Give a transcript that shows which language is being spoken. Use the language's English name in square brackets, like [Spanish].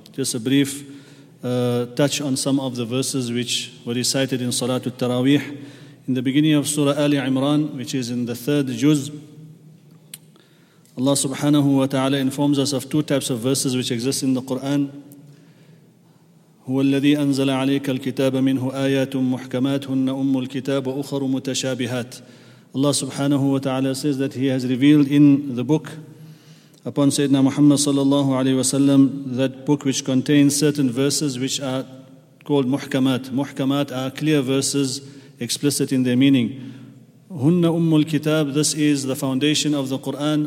[English] Just a brief touch on some of the verses which were recited in Salatul Taraweeh. In the beginning of Surah Ali Imran, which is in the third juz, Allah subhanahu wa ta'ala informs us of two types of verses which exist in the Quran. [Arabic] هو الذي أنزل عليك الكتاب منه آيات محكمات هن أم الكتاب وأخر متشابهات. [English] Allah subhanahu wa ta'ala says that He has revealed in the book upon Sayyidina Muhammad sallallahu alayhi wa sallam that book which contains certain verses which are called muhkamat. Muhkamat are clear verses explicit in their meaning. [Arabic] هن أم الكتاب, [English] this is the foundation of the Quran.